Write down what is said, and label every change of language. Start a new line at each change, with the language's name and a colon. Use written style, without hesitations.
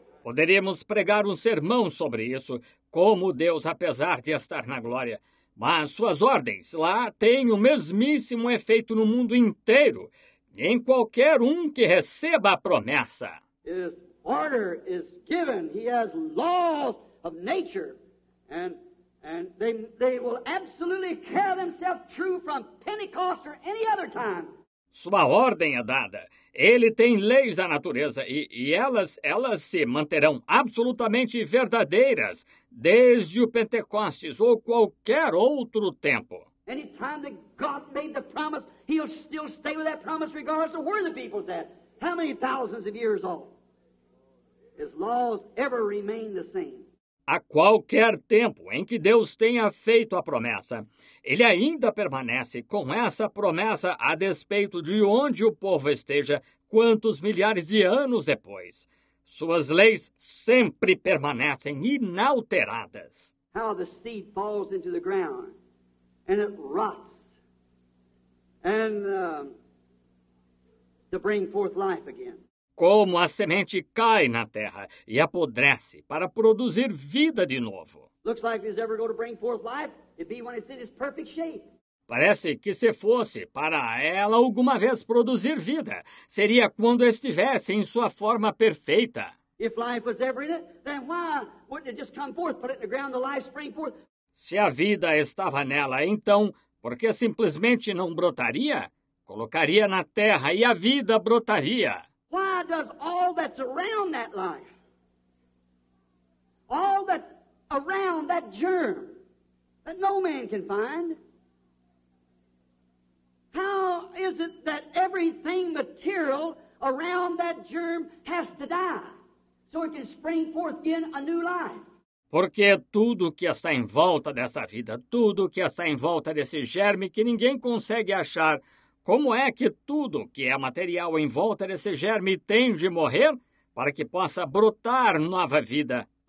Portuguese: Poderíamos pregar um sermão sobre isso, como Deus, apesar de estar na glória. Mas suas ordens lá têm o mesmíssimo efeito no mundo inteiro. Em qualquer um que receba a promessa.
English: His order is given. He has laws of nature. And they will absolutely carry themselves through from Pentecost or any other time.
Portuguese: Sua ordem é dada. Ele tem leis da natureza e elas se manterão absolutamente verdadeiras desde o Pentecostes ou qualquer outro tempo.
English: Any time that God made the promise, he'll still stay with that promise regardless of where the people's at. How many thousands of years old? His laws ever remain the same.
Portuguese: A qualquer tempo em que Deus tenha feito a promessa, ele ainda permanece com essa promessa a despeito de onde o povo esteja, quantos milhares de anos depois. Suas leis sempre permanecem inalteradas.
English: How the seed falls into the ground. And it rots, and to bring forth life again.
Portuguese: Como a semente cai na terra e apodrece para produzir vida de novo.
English: Looks like it's ever going to bring forth life, it'd be when it's in its perfect shape.
Portuguese: Parece que se fosse para ela alguma vez produzir vida, seria quando estivesse em sua forma perfeita.
English: If life was ever in it, then why wouldn't it just come forth, put it in the ground, the life spring forth?
Portuguese: Se a vida estava nela, então, por que simplesmente não brotaria? Colocaria na terra e a vida brotaria.
English: Why does all that's around that life, all that's around that germ, that no man can find, how is it that everything material around that germ has to die so it can spring forth again a new life?
Portuguese: Porque tudo que está em volta dessa vida, tudo que está em volta desse germe que ninguém consegue achar, como é que tudo que é material em volta desse germe tem de morrer para que possa brotar nova vida?